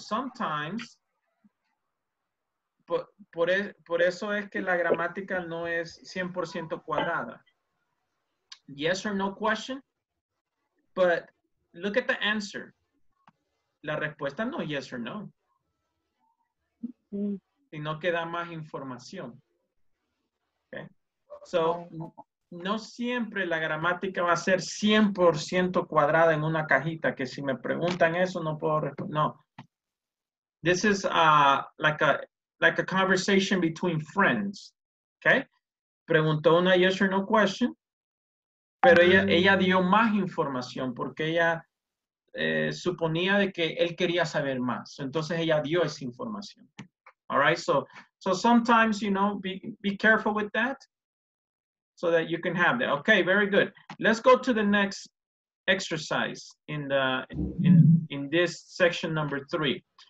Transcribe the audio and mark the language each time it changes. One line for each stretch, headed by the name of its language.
Spanish: Sometimes, por eso es que la gramática no es 100% cuadrada.
English: Yes or no question, but look at the answer.
Spanish: La respuesta no es yes or no, sino que da más información. Okay. So, no siempre la gramática va a ser 100% cuadrada en una cajita, que si me preguntan eso, no puedo responder.
English: No. This is like a conversation between friends. Okay.
Spanish: Preguntó una yes or no question. Pero ella dio más información porque ella suponía de que él quería saber más. Entonces ella dio esa información.
English: All right, so sometimes, you know, be careful with that so that you can have that. Okay, very good. Let's go to the next exercise in this section number 3.